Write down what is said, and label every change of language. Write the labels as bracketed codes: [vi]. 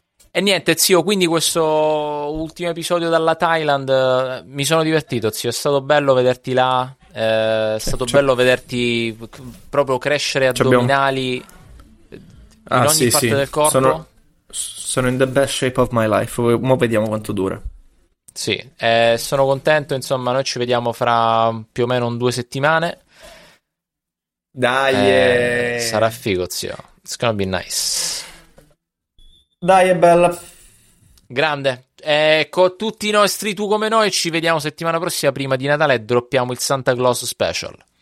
[it] E niente, zio, quindi questo ultimo episodio dalla Thailand, mi sono divertito, zio. È stato bello vederti là. È stato bello vederti proprio crescere addominali in ogni parte del corpo. Sono [en] in the best shape of my life. [it] Mo vediamo quanto dura. Sì, sono contento, insomma, noi ci vediamo fra più o meno 2 settimane. Dai! Sarà figo, zio. [en] It's gonna be nice. [it] Dai, è bella. Grande. Con tutti i nostri tu come noi, ci vediamo settimana prossima prima di Natale e droppiamo il Santa Claus special.